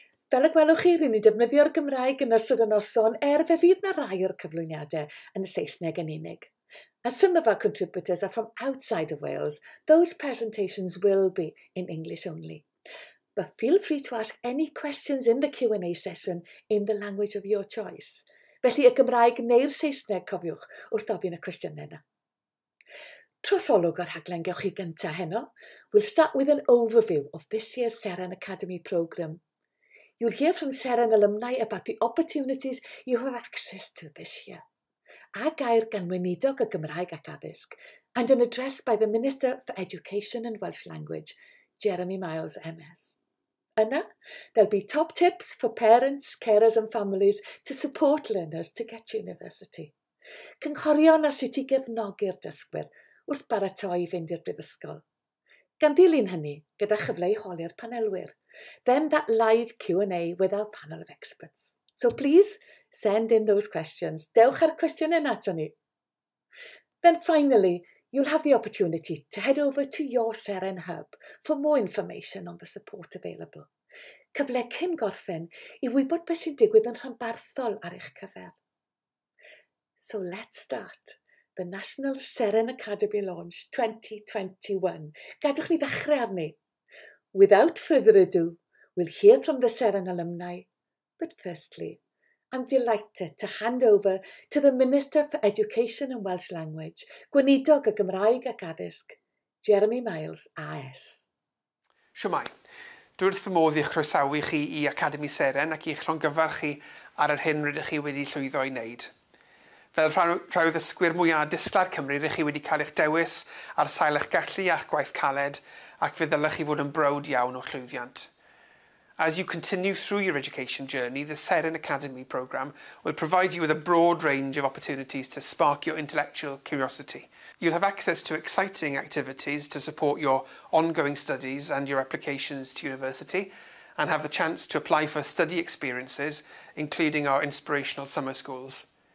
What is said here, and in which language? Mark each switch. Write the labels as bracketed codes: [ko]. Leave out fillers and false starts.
[cy] Fel y gwelwch chi, ry'n ni defnyddio'r Gymraeg yn ystod y noson er fe fydd na rai o'r cyflwyniadau yn y Saesneg yn unig. [en] As some of our contributors are from outside of Wales, those presentations will be in English only. But feel free to ask any questions in the Q&A session in the language of your choice. [cy] Felly y Gymraeg neu'r Saesneg cofiwch wrth ofyn y cwestiynau yna. Trosolwg o'r rhaglen gewch chi gynta heno. [en] We'll start with an overview of this year's Seren Academy programme. You'll hear from Seren alumni about the opportunities you have access to this year. [cy] A gair gan weinidog y Gymraeg ac Addysg [en] and an address by the Minister for Education and Welsh Language, Jeremy Miles MS. Yna, there'll be top tips for parents, carers and families to support learners to get to university. [cy] Cynghorion ar sut I gefnogi'r dysgwyr wrth baratoi I fynd i'r brifysgol. Gan ddilyn hynny, gyda chyfle I holi'r panelwyr. [en] Then that live Q&A with our panel of experts. So please, send in those questions. [cy] Dewch ar cwestiynau ato ni. [en] Then finally, you'll have the opportunity to head over to your Seren Hub for more information on the support available. [cy] Cyfle cyn gorffen I wybod beth sy'n digwydd yn rhanbarthol ar eich cyfer. [en] So let's start. the National Seren Academy launch 2021. [cy] Gadwch ni ddechrau arni. [en] Without further ado, we'll hear from the Seren alumni. But firstly, I'm delighted to hand over to the Minister for Education and Welsh Language, [cy] Gweinidog y Gymraeg ac Addysg, [en] Jeremy Miles AS. [cy] Siwmai, dwi wrth fy modd i eich croesawu chi i Academi Seren ac i eich llongyfar chi ar yr hyn rydych chi wedi llwyddo i wneud. Fel rhai o ddysgwyr mwyaf disglar Cymru, rydych chi wedi cael eich dewis ar sail eich gallu a'ch gwaith caled ac fe ddylech chi fod yn brawd iawn o'ch llwyddiant. [en] As you continue through your education journey, the Seren Academy programme will provide you with a broad range of opportunities to spark your intellectual curiosity. You'll have access to exciting activities to support your ongoing studies and your applications to university, and have the chance to apply for study experiences, including our inspirational summer schools.